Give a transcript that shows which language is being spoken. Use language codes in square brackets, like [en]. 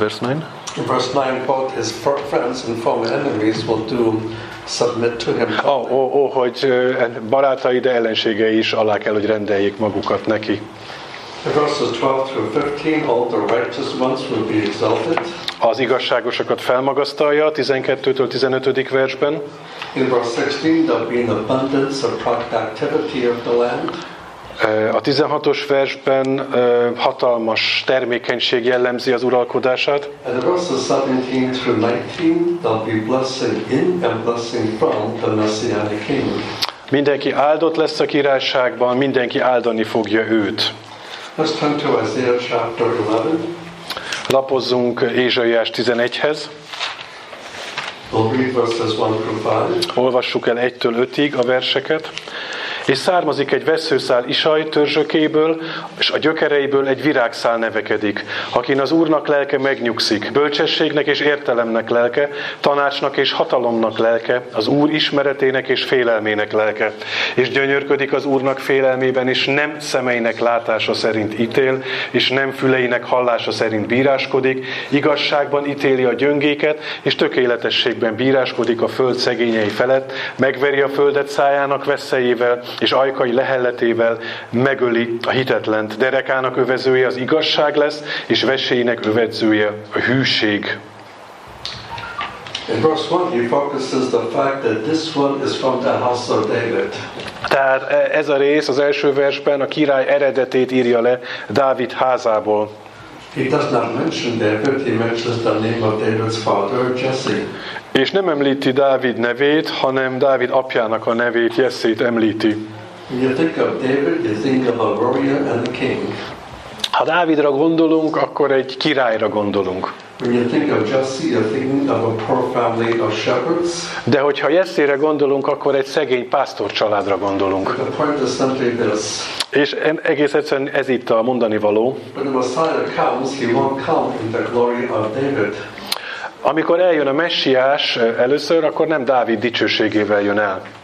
[en] In verse 9, both his friends and former enemies will do submit to him. [hu] Hogy barátai, de ellenségei is alá kell, hogy rendeljék magukat neki. [en] Verses 12 through 15, all the righteous ones will be exalted. [hu] Az igazságosokat felmagasztalja, 12-től 15. versben. [en] In verse 16, there will be an abundance of productivity of the land. [hu] A 16-os versben hatalmas termékenység jellemzi az uralkodását. [en] And in verses 17 through 19, there will be blessing in and blessing from the Messianic King. [hu] Mindenki áldott lesz a királyságban, mindenki áldani fogja őt. [en] Let's turn to Isaiah chapter 11. [hu] Lapozzunk Ézsaiás 11-hez. [en] We'll read verses 1 through 5. [hu] Olvassuk el 1-től 5-ig a verseket. és származik egy vesszőszál Isaj törzsökéből, és a gyökereiből egy virágszál nevekedik, akin az Úrnak lelke megnyugszik, bölcsességnek és értelemnek lelke, tanácsnak és hatalomnak lelke, az Úr ismeretének és félelmének lelke, és gyönyörködik az Úrnak félelmében, és nem szemeinek látása szerint ítél, és nem füleinek hallása szerint bíráskodik, igazságban ítéli a gyöngéket, és tökéletességben bíráskodik a föld szegényei felett, megveri a földet szájának veszélyével, és ajkai lehelletével megöli a hitetlent. Derekának övezője az igazság lesz, és veséinek övezője a hűség. [en] In verse 1 he focuses the fact that this one is from the house of David. [hu] Tehát ez a rész az első versben a király eredetét írja le Dávid házából. [en] He does not mention David, he mentions the name of David's father, Jesse. [hu] És nem említi Dávid nevét, hanem Dávid apjának a nevét, Jesse-t említi. [en] When you think of David, you think of a warrior and a king. [hu] Ha Dávidra gondolunk, akkor egy királyra gondolung. [en] When you think of Jesse, you're thinking of a poor family of shepherds. [hu] De hogyha Jesse-re gondolunk, akkor egy szegény pásztor családra gondolunk. [en] But the point is simply this. [hu] És egész egyszerűen ez itt a mondani való. [en] When the Messiah comes, he won't come in the glory of David. [hu] Amikor eljön a Messiás először, akkor nem Dávid dicsőségével jön el.